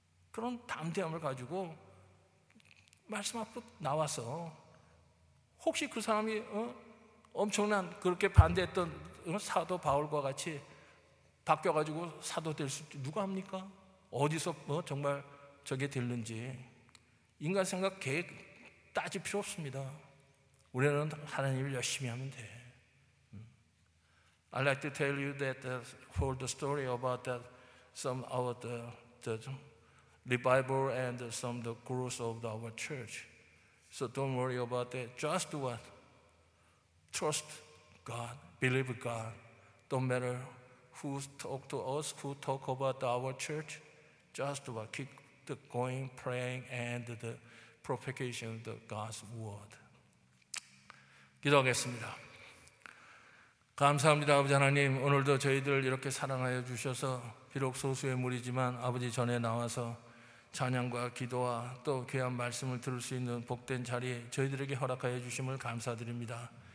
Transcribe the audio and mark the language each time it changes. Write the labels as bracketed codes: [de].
[ko] 그런 담대함을 가지고 말씀 앞으로 나와서 혹시 그 사람이 엄청난 그렇게 반대했던 사도 바울과 같이 바뀌어가지고 사도 될 수 누가 합니까? 어디서 정말 저게 되는지 인간 생각 계획 따질 필요 없습니다. 우리는 하나님을 열심히 하면 돼. [en] I'd like to tell you that for the story about that some of the revival and some of the growth of our church. So don't worry about that. Just do what? Trust God. Believe God. Don't matter who talk to us, who talk about our church. Just do what? Keep going, praying, and the propagation of God's word. [ko] 기도하겠습니다. 감사합니다 아버지 하나님 오늘도 저희들 이렇게 사랑하여 주셔서 비록 소수의 무리지만 아버지 전에 나와서 찬양과 기도와 또 귀한 말씀을 들을 수 있는 복된 자리에 저희들에게 허락하여 주심을 감사드립니다.